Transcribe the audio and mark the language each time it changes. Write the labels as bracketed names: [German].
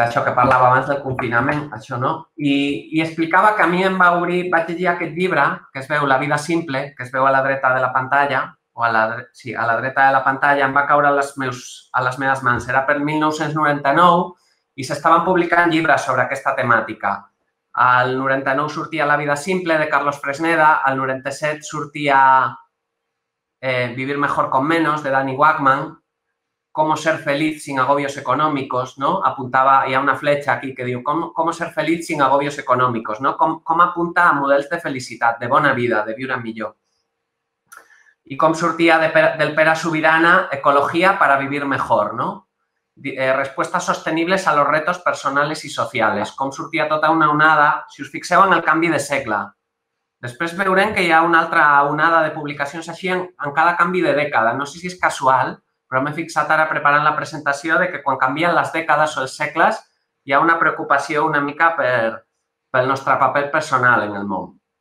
[Catalan] Això que parlava abans del confinament, això no. I explicava que a mi em va obrir, vaig llegir aquest llibre, que es veu La vida simple, que es veu a la dreta de la pantalla, a la dreta de la pantalla, em va caure a les meves mans. Era per 1999 i s'estaven publicant llibres sobre aquesta temàtica. El 99 sortia La vida simple, de Carlos Fresneda. El 97 sortia Vivir mejor con menos, de Danny Wagman. [Spanish] Cómo ser feliz sin agobios económicos, ¿no? Apuntaba, hay una flecha aquí que digo, ¿cómo ser feliz sin agobios económicos, ¿no? ¿Cómo apunta a [Catalan] models de felicitat, de bona vida, de viure millor? I com sortia del Pere Subirana, ecologia para vivir mejor, ¿no? [Spanish] Respuestas sostenibles a los retos personales y sociales. [Catalan] Com sortia tota una onada, si us fixeu en el canvi de segle. Després veurem que hi ha una altra onada de publicacions així en cada canvi de dècada. No sé si és casual, però m'he fixat ara preparant la presentació de que quan canvien les dècades o els segles hi ha una preocupació una mica pel nostre paper personal en el món.